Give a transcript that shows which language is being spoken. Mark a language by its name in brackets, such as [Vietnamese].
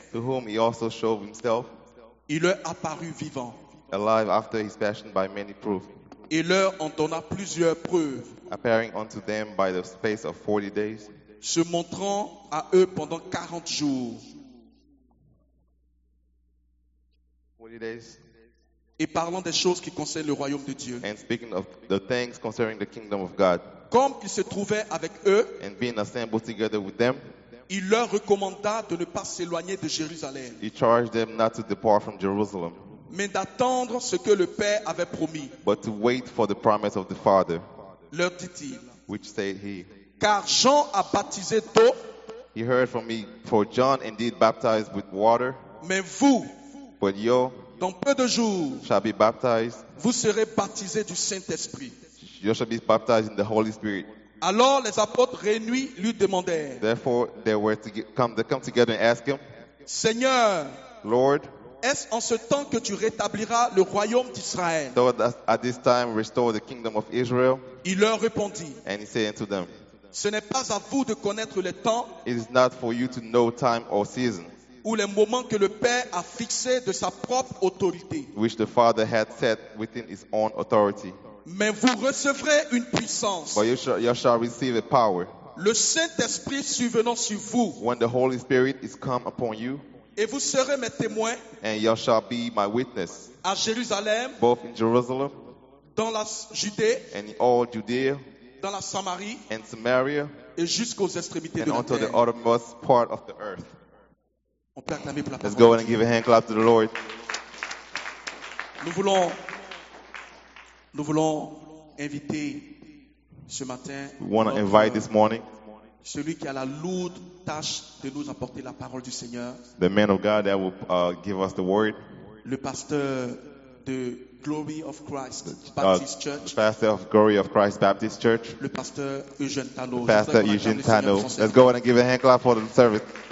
[English] to whom he also showed himself, [French] il leur apparut vivant, [English] alive after his passion by many proofs, [French] et leur en donna plusieurs preuves, [English] appearing unto them by the space of 40 days, [French] se montrant à eux pendant 40 jours, [English] 40 days, [French] et parlant des choses qui concernent le royaume de Dieu, [English] and speaking of the things concerning the kingdom of God, [French] comme ils se trouvaient avec eux, [English] and being assembled together with them, [French] il leur recommanda de ne pas s'éloigner de Jérusalem. [English] He charged them not to depart from Jerusalem, [French] mais d'attendre ce que le Père avait promis. [English] But to wait for the promise of the Father. [French] Leur dit-il. [English] Which said he. [French] Car Jean a baptisé d'eau. [English] He heard from me, for John indeed baptized with water. [French] Mais vous. [English] But you. [French] Dans peu de jours. [English] Shall be baptized. [French] Vous serez baptisés du Saint-Esprit. [English] You shall be baptized in the Holy Spirit. [French] Alors les apôtres réunis lui demandèrent. [English] Therefore they were to come together and ask him. [French] Seigneur. [English] Lord. [French] Est-ce en ce temps que tu rétabliras le royaume d'Israël? [English] So at this time restore the kingdom of Israel. [French] Il leur répondit. [English] And he said unto them. [French] Ce n'est pas à vous de connaître les temps. [English] It is not for you to know time or season. [French] Ou les moments que le Père a fixés de sa propre autorité. [English] Which the Father had set within his own authority. [French] Mais vous recevrez une puissance. [English] But you shall receive a power. [French] Le Saint-Esprit survenant sur vous. [English] When the Holy Spirit is come upon you. [French] Et vous serez mes témoins. [English] And you shall be my witness. [French] À Jérusalem. [English] Both in Jerusalem. [French] Dans la Judée. [English] And in all Judea. [French] Dans la Samarie. [English] And Samaria. [French] Et jusqu'aux extrémités de la terre. [English] And unto the uttermost part of the earth. [French] On peut acclamer pour la parole. [English] Let's go and give a hand clap to the Lord. [French] Nous voulons inviter ce matin. [English] We want to invite this morning. [French] Celui qui a la lourde tâche de nous apporter la parole du Seigneur. [English] The man of God that will give us the word. [French] Le pasteur de Glory of Christ Baptist Church. [English] The pastor of Glory of Christ Baptist Church. [French] Le pasteur Eugène Tano. [English] The pastor Eugene Tano. Let's go ahead and give a hand clap for the service.